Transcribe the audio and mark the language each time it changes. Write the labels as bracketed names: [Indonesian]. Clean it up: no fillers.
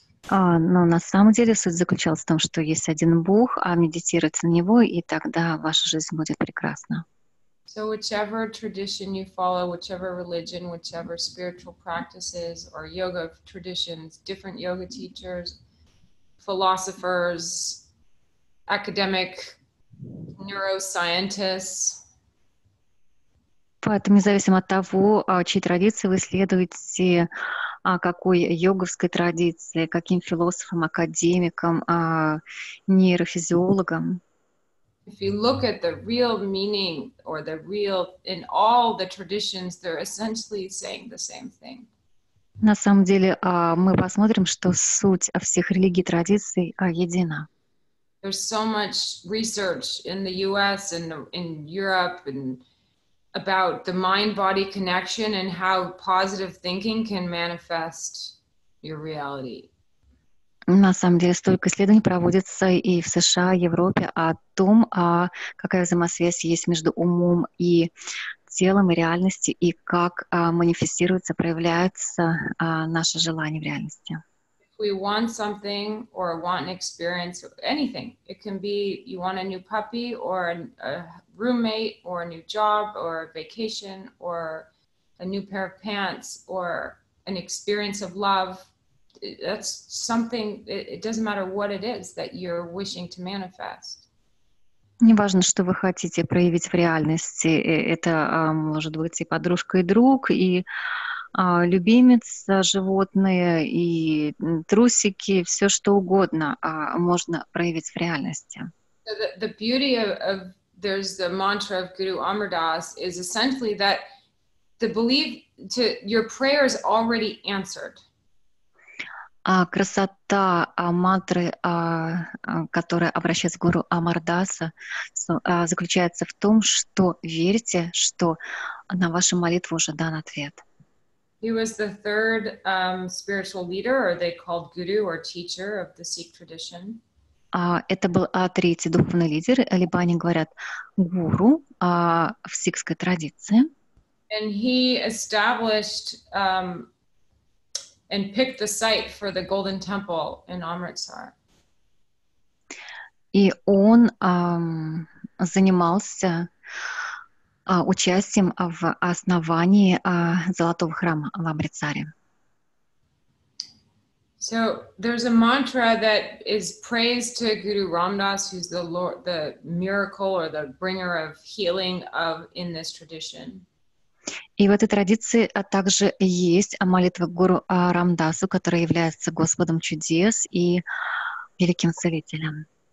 [Russian] Но на самом деле суть заключалась в том, что есть один Бог, а медитируйте на него, и тогда ваша жизнь будет прекрасна. [English] So whichever tradition you follow, whichever religion, whichever spiritual practices or yoga traditions, different yoga teachers, philosophers, academic neuroscientists. [Russian] Поэтому независимо от того, чьи традиции вы следуете, какой йоговской традиции, каким философам, академикам, нейрофизиологам. [English] If you look at the real meaning or the real in all the traditions, they're essentially saying the same thing. [Russian] На самом деле, мы посмотрим, что суть всех религий и традиций едина. [English] There's so much research in the US and in Europe and about the mind-body connection and how positive thinking can manifest your reality. [Russian] На самом деле, столько исследований проводится и в США, и в Европе о том, какая взаимосвязь есть между умом и телом, и реальностью, и как манифестируется, проявляется наше желание в реальности. [English] If we want something or want an experience, anything, it can be you want a new puppy or a roommate or a new job or a vacation or a new pair of pants or an experience of love. That's something, it doesn't matter what it is that you're wishing to manifest. [Russian] Не важно, что вы хотите проявить в реальности. Это может быть и подружка, и друг, и любимец, животное, и трусики, все что угодно можно проявить в реальности. [English] the beauty of there's the mantra of Guru Amar Das is essentially that the belief to your prayer is already answered. [Russian] Красота мантры, которая обращается к Гуру Амар Даса, заключается в том, что верьте, что на вашу молитву уже дан ответ. [English] He was the third spiritual leader, or they called guru or teacher of the Sikh tradition. [Russian] Это был третий духовный лидер, либо они говорят гуру в сикхской традиции. [English] And he established and picked the site for the Golden Temple in Amritsar. [Russian] И он занимался участием в основании Золотого храма в Амритсаре. [English] So there's a mantra that is praise to Guru Ram Dass, who's the Lord, the miracle or the bringer of healing of in this tradition. [Russian] И в этой традиции также есть молитва Гуру Рам Дасу, которая является Господом чудес и великим целителем.